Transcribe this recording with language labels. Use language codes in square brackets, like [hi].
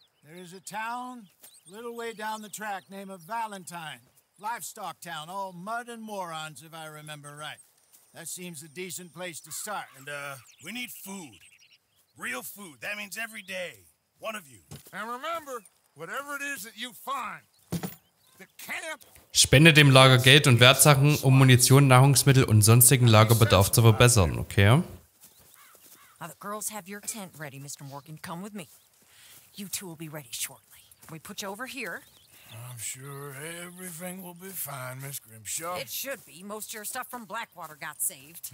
[en] There is a town a little way down the track named Valentine. Livestock town, all mud and morons, if I remember right. That seems a decent place to start. And, we need food. Real food. That means every day. One of you. And remember, whatever it is that you find, the camp... [de] Spende dem Lager Geld und Wertsachen, um Munition, Nahrungsmittel und sonstigen Lagerbedarf zu verbessern. [en] Okay. Now the girls have your tent ready, Mr. Morgan. Come with me. You two will be ready shortly. We put you over here. I'm sure everything will be fine, Miss Grimshaw. It should be. Most of your stuff from Blackwater got saved.